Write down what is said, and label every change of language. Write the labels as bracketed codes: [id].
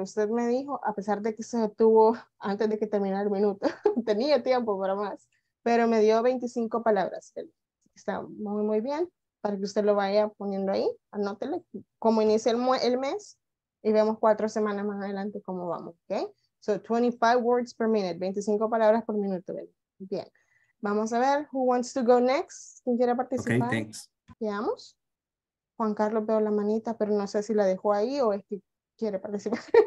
[es] Usted me dijo, a pesar de que se detuvo antes de que terminara el minuto, tenía tiempo para más, pero me dio 25 palabras. Está muy, muy bien. Para que usted lo vaya poniendo ahí, anótele cómo inicia el mes y vemos 4 semanas más adelante cómo vamos. [en] Ok. So, 25 words per minute, [es] 25 palabras por minuto. Bien. Vamos a ver, [en] who wants to go next? [es] ¿Quién quiere participar? [en] Ok, thanks. [es] Veamos. Juan Carlos, veo la manita, pero no sé si la dejó ahí o es que quiere participar.